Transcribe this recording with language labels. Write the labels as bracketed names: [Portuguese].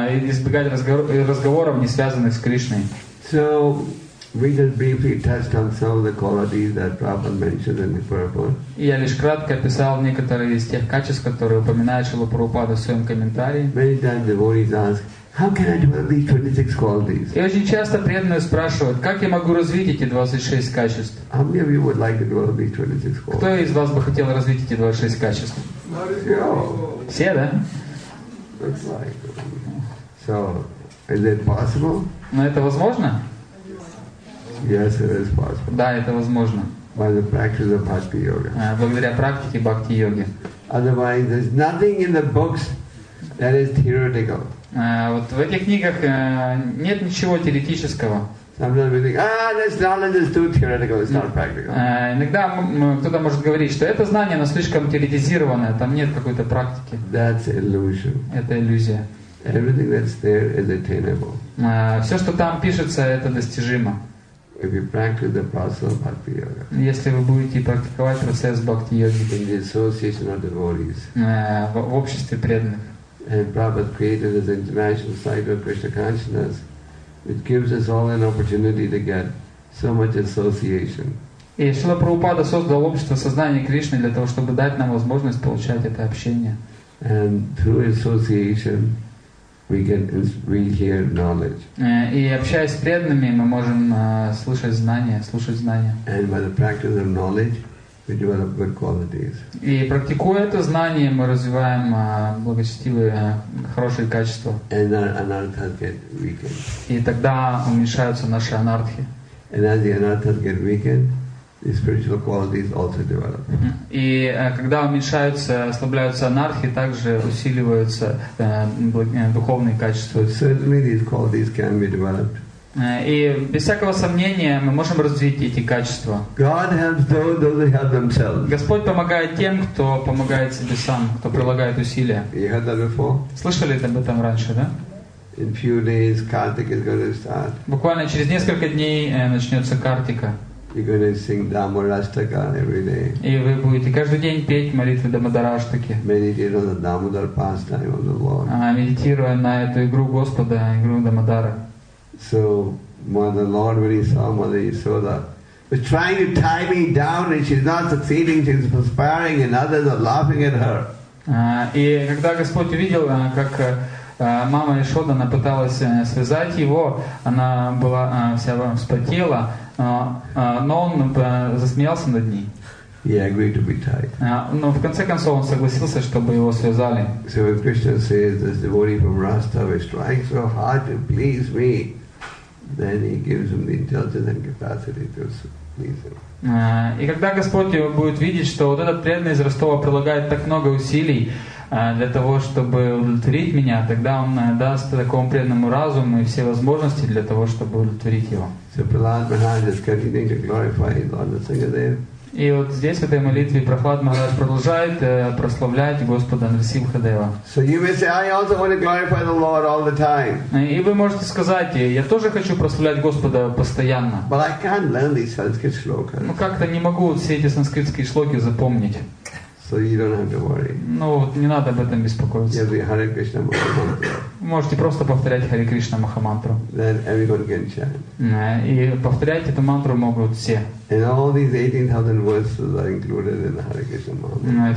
[Russian] Избегать разговоров, не связанных с Кришной. [English] So we just briefly touched on some of the qualities that Prabhupada mentioned in the purport. [Russian] Я лишь кратко описал некоторые из тех качеств, которые упоминает Шрила Прабхупада в своем комментарии. [English] Many times devotees ask, how can I develop these 26 qualities? [Russian] И очень часто преданные спрашивают, как я могу развить эти 26 качеств? [English] How many of you would like to develop these 26 qualities? [Russian] Кто из вас бы хотел развить эти 26 качеств? Все, да? [English] Looks like. So, is it possible? [Russian] Но это возможно? [English] Yes, it is possible. [Russian] Да, это возможно. [English] By the practice of Bhakti Yoga. [Russian] Благодаря практике Бхакти Йоги. [English] Otherwise, there's nothing in the books that is theoretical. [Russian] Вот в этих книгах нет ничего теоретического. [English] Sometimes we think, this knowledge is too theoretical, it's not practical. [Russian] Иногда кто-то может говорить, что это знание, оно слишком теоретизированное, там нет какой-то практики. [English] That's illusion. [Russian] Это иллюзия. [English] Everything that's there is attainable. [Russian] Все, что там пишется, это достижимо. [English] If you practice the process of Bhakti Yoga. [Russian] Если вы будете практиковать процесс Бхакти Йоги. [English] In the association of devotees. [Russian] В обществе преданных. [English] And Prabhupada created this international cycle of Krishna consciousness, which gives us all an opportunity to get so much association. [Russian] И Шрила Прабхупада создал общество сознания Кришны для того, чтобы дать нам возможность получать это общение. [English] And through association, we can hear knowledge. [Russian] И общаясь с преданными, мы можем слышать знания, слушать знания. [English] And by the practice of knowledge, we develop good qualities. [Russian] И практикуя это знание, мы развиваем благочестивые, хорошие качества. [English] And our anarthas get weakened. [Russian] И тогда уменьшаются наши анартхи. [English] And as the anarthas get weakened, the spiritual qualities also develop. [Russian] И когда уменьшаются, ослабляются анархи, также усиливаются духовные качества. [English] So certainly these qualities can be developed. [Russian] И без всякого сомнения мы можем развить эти качества. [English] God helps those who help themselves. [Russian] Господь помогает тем, кто помогает себе сам, кто прилагает усилия. [English] You heard that before? [Russian] Слышали об этом раньше, да? [English] In few days, Kartik is going to start. [Russian] Буквально через несколько дней начнется Картика. [English] You're going to sing Dhammarashtaka every day. [Russian] И вы будете каждый день петь молитвы Дамодараштаки. [English] Meditate on the Damodar pastime of the Lord. [Russian] Медитируя на эту игру Господа, игру Дамодара. [English] So Mother Lord, when he saw Mother Yasoda, was trying to tie me down, and she's not succeeding. She's perspiring, and others are laughing at her. [Russian] И когда Господь увидел, как мама Яшоды, она пыталась связать его, она была вся вспотела, но он засмеялся над ней. [English] He agreed to be tied. [Russian] Но в конце концов он согласился, чтобы его связали. [English] So when Krishna says this devotee from Rastava strives so hard to please me, then he gives him the intelligence and capacity to please him. [Russian] И когда Господь будет видеть, что вот этот преданный из Ростова прилагает так много усилий для того, чтобы удовлетворить меня, тогда он даст такому преданному разуму и все возможности для того, чтобы удовлетворить его. [English] So Prahlad Maharaj is continuing to glorify Lord Narasimhadev. [Russian] И вот здесь, в этой молитве, Прохлад Махарадж продолжает прославлять Господа Нарсимхадева. [English] So you may say, I also want to glorify the Lord all the time. [Russian] И вы можете сказать, я тоже хочу прославлять Господа постоянно. [English] But I can't learn these Sanskrit shlokas. [Russian] Но как-то не могу все эти санскритские шлоки запомнить. [English] So you don't have to worry. [Russian] Ну вот не надо об этом беспокоиться. [English] You have the Hare Krishna Mahamantra. [Russian] Вы можете просто повторять Hare Krishna Mahamantra. [English] Then everyone can chant. [Russian] И повторять эту мантру могут все. [English] And all these 18,000 verses are included in the Hare Krishna Mahamantra.